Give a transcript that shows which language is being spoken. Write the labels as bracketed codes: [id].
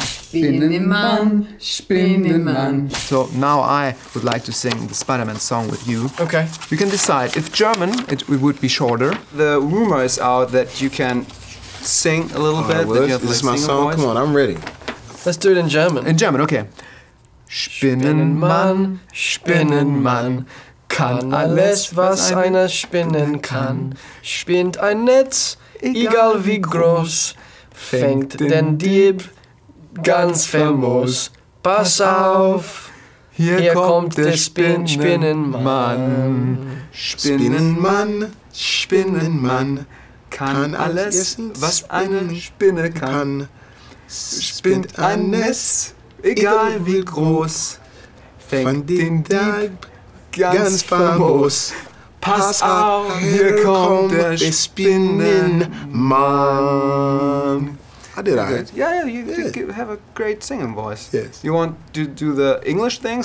[de] Spinnenman, Spinnenman. [en] So now I would like to sing the Spider-Man song with you. Okay. You can decide. If German, it would be shorter. The rumor is out that you can sing a little bit. Oh, this is my song? Come on, I'm ready. Let's do it in German. In German, okay. [de] Spinnenmann, Spinnenmann, kann alles, was einer spinnen kann. Spinnt ein Netz, egal wie groß, fängt den Dieb ganz famos. Pass auf, hier kommt der Spinnenmann. Spinnenmann, Spinnenmann, kann alles, was eine Spinne kann. Spinnt ein Netz. Egal wie groß, fängt den Dieb ganz famos. Pass auf, hier kommt der Spinnenmann. [en] I did all right. You have a great singing voice. Yes. You want to do the English thing?